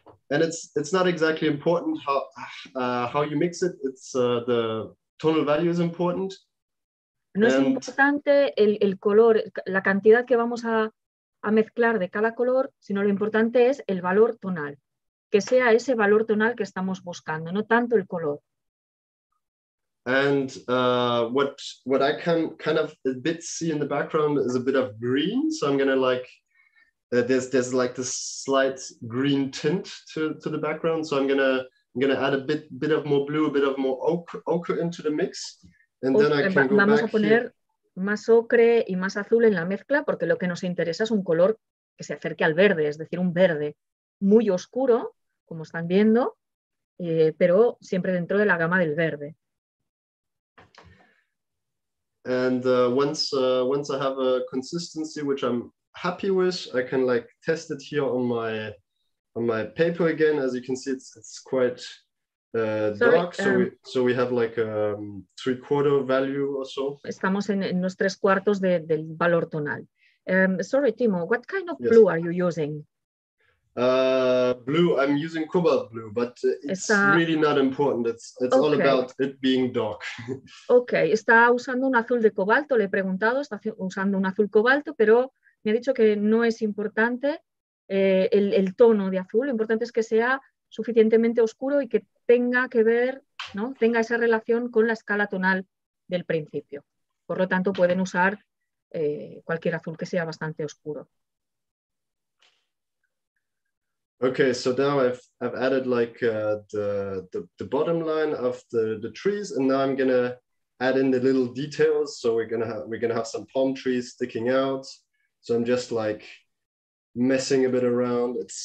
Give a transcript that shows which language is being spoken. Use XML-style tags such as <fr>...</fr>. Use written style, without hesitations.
<en>And it's not exactly important how you mix it. It's the tonal value is important.</en> <es>No es importante el color, la cantidad que vamos a mezclar de cada color, sino lo importante es el valor tonal, que sea ese valor tonal que estamos buscando, no tanto el color.</es> <en>And what I can kind of a bit see in the background is a bit of green. So I'm gonna like there's like this slight green tint to the background. So I'm gonna add a bit of more blue, a bit of more ochre into the mix, and then I can go back. Vamos a poner más ocre y más azul en la mezcla, porque lo que nos interesa es un color que se acerque al verde, es decir, un verde muy oscuro, como están viendo, pero siempre dentro de la gama del verde. And once I have a consistency which I'm happy with, I can like test it here on my paper again. As you can see, it's quite dark. So we have like a 3/4 value or so.</en> <es>Estamos en los 3/4 del valor tonal.</es> <en>Sorry, Timo, what kind of blue are you using? Blue, I'm using cobalt blue, but it's está... really not important. It's okay. All about it being dark.</en> <es>Okay, está usando un azul de cobalto, le he preguntado, está usando un azul cobalto, pero me ha dicho que no es importante el tono de azul, lo importante es que sea suficientemente oscuro y que tenga que ver, ¿no? Tenga esa relación con la escala tonal del principio. Por lo tanto, pueden usar cualquier azul que sea bastante oscuro.</es> <en>Okay, so now I've added like the bottom line of the trees, and now I'm gonna add in the little details. So we're gonna have some palm trees sticking out. So I'm just like messing a bit around.</en>